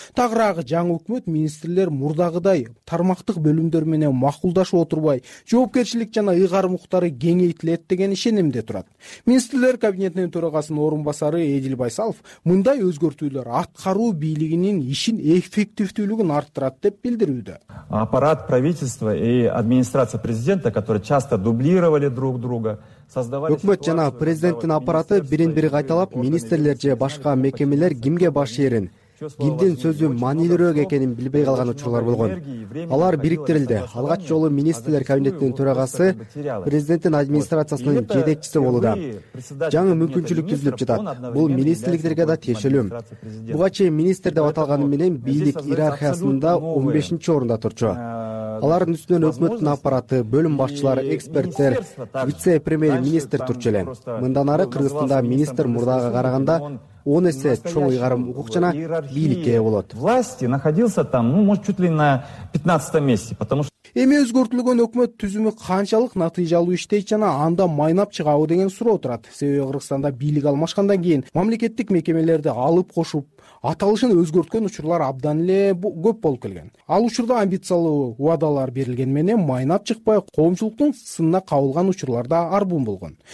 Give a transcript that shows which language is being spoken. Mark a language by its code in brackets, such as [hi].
[ky] Тагыраагы жаңы өкмөт министрлер мурдагыдай тармактык бөлүмдөр менен макулдашып отурбай, жоопкерчилик жана ыйгар муктары кеңейтилет деген ишенимде турат. Министрлер кабинетинин төрагасынын орун басары Эдил Байсалов мындай өзгөртүүлөр аткаруу бийлигинин ишин эффективдүүлүгүн арттырат деп билдирүүдө. [ru] Аппарат правительства и администрация президента, которые часто дублировали друг друга, [ky] Өкмөт жана президенттин аппараты бирин бири кайталап, министрлер же башка мекемелер кимге баш ээрин, кимдин сөзү маанилүүрөөк экенин билбей калган учурлар болгон. Алар бириктирилди. Алгач жолу министрлер кабинетинин төрагасы президенттин администрациясынын жетекчиси болууда. Жаңы мүмкүнчүлүк түзүлүп жатат. Бул министрликтерге да тиешелүү. Буга чейин министр деп аталганы менен бийлик иерархиясында 15-орунда турчу. Алардын үстүнөн өкмөттүн аппараты, бөлүм башчылары, эксперттер, вице премьер министр турчу эле. Мындан ары Кыргызстанда министр мурдагыга караганда 10 эсе чоң ыйгарым, укук жана бийликке ээ болот. [ru] Власти находился там, может, чуть ли на 15-месте, потому что [ky] эми өзгөртүлгөн өкмөт түзүмү канчалык натыйжалуу иштейт жана анда майнап чыгабы деген суроо отурат. Себеби Кыргызстанда бийлик алмашкандан кийин мамлекеттик мекемелерди алып кошуп, аталышын өзгөрткөн учурлар абдан эле көп болуп келген. Ал учурда амбициялуу убадалар берилген менен майнап чыкпай, коомчулуктун сынына кабылган учурлар да арбун болгон.